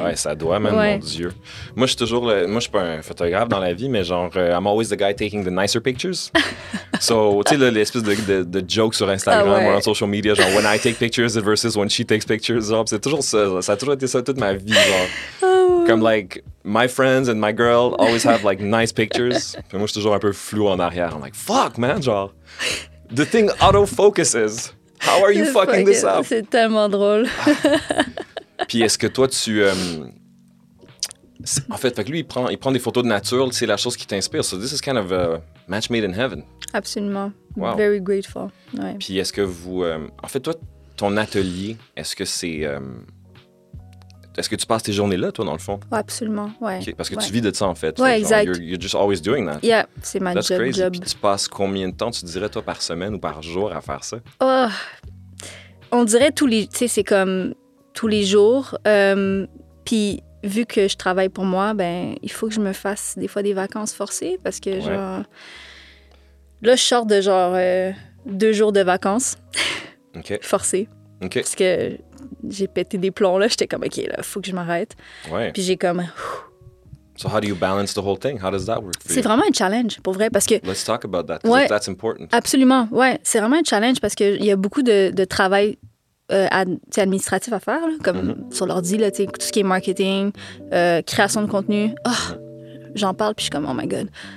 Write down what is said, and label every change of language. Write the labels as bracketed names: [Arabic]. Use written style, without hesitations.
[French] Ouais, ça doit, même, mon Dieu. Moi, je suis toujours. Moi, je suis pas un photographe dans la vie, mais genre, [English] I'm always the guy taking the nicer pictures. [French] So, tu sais, l'espèce de joke sur Instagram ou en social media, genre, [English] when I take pictures versus when she takes pictures, [French] genre, c'est toujours ça, ça a toujours été ça toute ma vie, genre. [English] Comme, like, my friends and my girl always have, like, nice pictures. [French] Puis moi, je suis toujours un peu flou en arrière. [English] I'm like, fuck, man, genre, the thing auto-focuses. How are you fucking this up? [French] C'est tellement drôle. Puis est-ce que toi, tu... En fait, lui, il prend des photos de nature, c'est la chose qui t'inspire. [English] So this is kind of a match made in heaven. [French] Absolument. [English] Wow. Very grateful. Ouais. [French] Puis est-ce que vous... en fait, toi, ton atelier, est-ce que c'est... est-ce que tu passes tes journées là, toi, dans le fond? Oh, absolument, ouais. Okay, parce que tu vis de ça, en fait. Ouais, exact. [English] Genre, you're just always doing that. [French] Yeah, c'est ma job. [English] That's crazy. [French] Puis tu passes combien de temps, tu dirais, toi, par semaine ou par jour à faire ça? Oh, on dirait tous les... Tu sais, c'est comme tous les jours. Puis... Vu que je travaille pour moi, ben il faut que je me fasse des fois des vacances forcées parce que genre là je sors de genre 2 jours de vacances forcées parce que j'ai pété des plombs là, j'étais comme ok là faut que je m'arrête. Ouais. Puis j'ai comme. [English] So how do you balance the whole thing? How does that work for you? [French] C'est vraiment un challenge pour vrai parce que. [English] Let's talk about that. [French] Ouais, [English] that's important. [French] Absolument, ouais, c'est vraiment un challenge parce que il y a beaucoup de travail. Administratif à faire, là, comme sur l'ordi, là, tout ce qui est marketing, création de contenu. Oh, j'en parle, puis je suis comme, [English] oh my God.